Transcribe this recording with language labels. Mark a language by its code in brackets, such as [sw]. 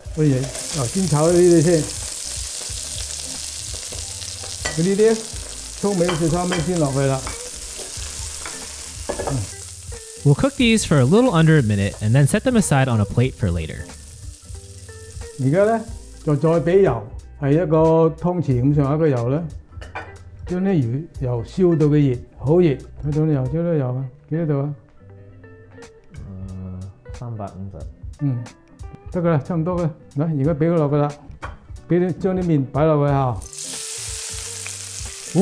[yue] 我哋嗱先炒呢啲先，佢呢啲葱尾、小葱尾先落去啦。 [en] We'll cook these for a little under a minute and then set them aside on a plate for later. [yue] 而家咧就再俾油，系一个汤匙咁上下嘅油啦，将啲鱼油烧到嘅热，好热。几多油？几多油啊？几多度啊？ 350。嗯，得噶啦，差唔多噶。嗱，而家俾佢落噶啦，俾啲将啲面摆落去吓。哦，